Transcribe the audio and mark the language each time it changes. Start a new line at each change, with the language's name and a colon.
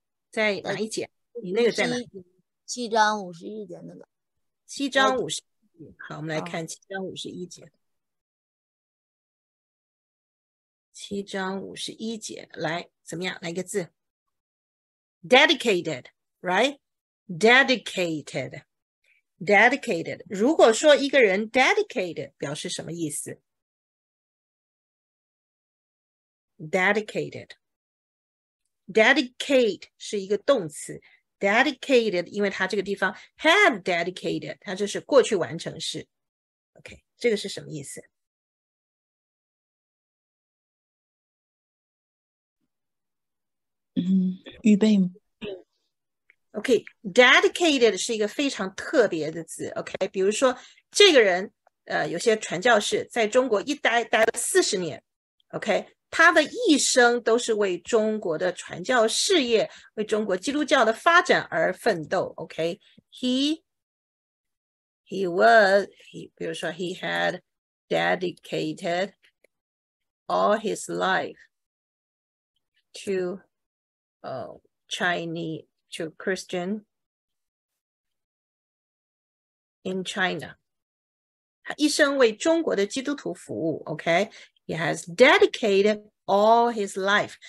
Chinese: 在哪一节？你那个在哪？七章五十一节那个。七章五十一，好，我们来看七章五十一节。七章五十一节，来，怎么样？来个字 ，dedicated， right？
English: Dedicated， dedicated。
Chinese: 如果说一个人 dedicated， 表示什么意思？ Dedicated， dedicate 是一个动词。 Dedicated， 因为它这个地方 have dedicated， 它就是过去完成式。 OK， 这个是什么意思？嗯，预备吗？ OK， dedicated 是一个非常特别的字。 OK， 比如说这个人，有些传教士在中国一待待了四十年。 OK， 他的一生都是为中国的传教事业、为中国基督教的发展而奋斗。
English: OK，
Chinese: 比如说
English: he had dedicated all his life to Chinese to Christian in China.
Chinese: 他一生为中国的基督徒服务， OK?
English: He has dedicated all his life.